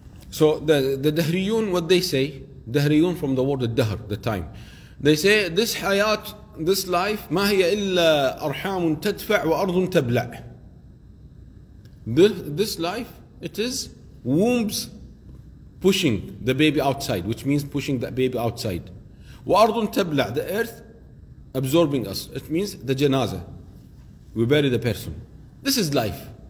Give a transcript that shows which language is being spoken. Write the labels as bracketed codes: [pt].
[en] So the Dahriyun, what they say, Dahriyun from the word Dahr, the time. They say this hayat, this life, [ar] ما هي إلا أرحام تدفع وأرض تبلع. [en] This life, it is wombs pushing the baby outside, which means pushing that baby outside. [ar] وأرض تبلع, [en] the earth absorbing us. It means the janazah. We bury the person. This is life.